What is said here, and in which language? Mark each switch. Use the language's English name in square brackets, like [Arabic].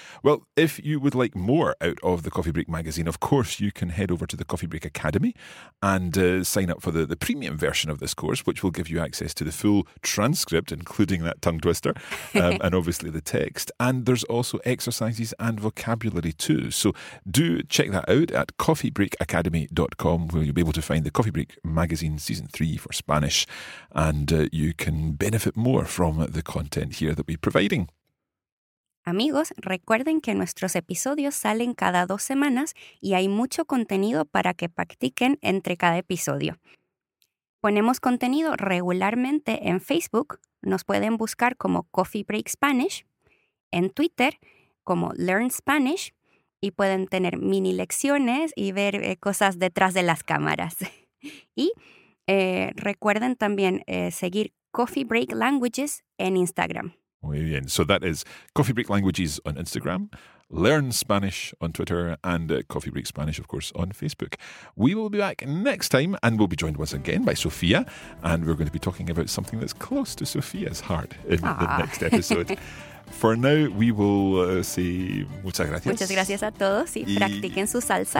[English] Well, if you would like more out of the Coffee Break magazine, of course, you can head over to the Coffee Break Academy and sign up for the premium version of this course, which will give you access to the full transcript, including that tongue twister, and obviously the text. And there's also exercises and vocabulary too. So do check that out at coffeebreakacademy.com, where you'll be able to find the Coffee Break magazine season 3 for Spanish, and you can benefit more from the content here that we're providing. [Spanish] Amigos, recuerden que nuestros episodios salen cada 2 semanas y hay mucho contenido para que practiquen entre cada episodio. Ponemos contenido regularmente en Facebook, nos pueden buscar como Coffee Break Spanish, en Twitter como Learn Spanish, y pueden tener mini lecciones y ver cosas detrás de las cámaras. Y recuerden también seguir Coffee Break Languages en Instagram. Muy bien. [English] So that is Coffee Break Languages on Instagram, Learn Spanish on Twitter and Coffee Break Spanish, of course, on Facebook. We will be back next time and we'll be joined once again by Sofia. And we're going to be talking about something that's close to Sofia's heart in the next episode. For now, we will say [Spanish] muchas gracias. Muchas gracias a todos y practiquen su salsa.